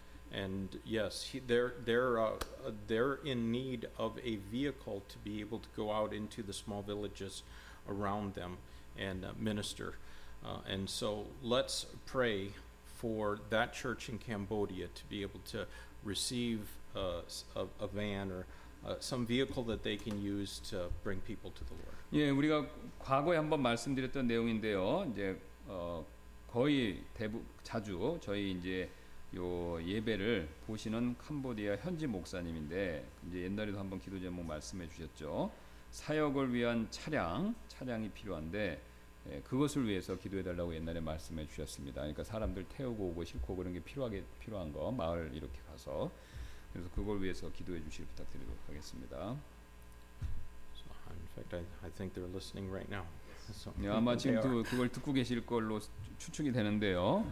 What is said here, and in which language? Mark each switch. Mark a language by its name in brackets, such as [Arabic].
[English] And yes, they're in need of a vehicle to be able to go out into the small villages around them and minister. And so let's pray for that church in Cambodia to be able to receive a van or some vehicle that they can use to bring people to the Lord. [Korean] 예, 우리가 과거에 한번 말씀드렸던 내용인데요. 이제 거의 자주 저희 이제 요 예배를 보시는 캄보디아 현지 목사님인데 이제 옛날에도 한번 기도 제목 말씀해 주셨죠. 사역을 위한 차량이 필요한데 예, 그것을 위해서 기도해 달라고 옛날에 말씀해 주셨습니다. 그러니까 사람들 태우고 오고 싣고 그런 게 필요한 거 마을 이렇게 가서 그래서 그걸 위해서 기도해 주시길 부탁드리도록 하겠습니다. [English] So in fact I think they're listening right now. [Korean] So 예, 아마 지금 그걸 듣고 계실 걸로 추측이 되는데요.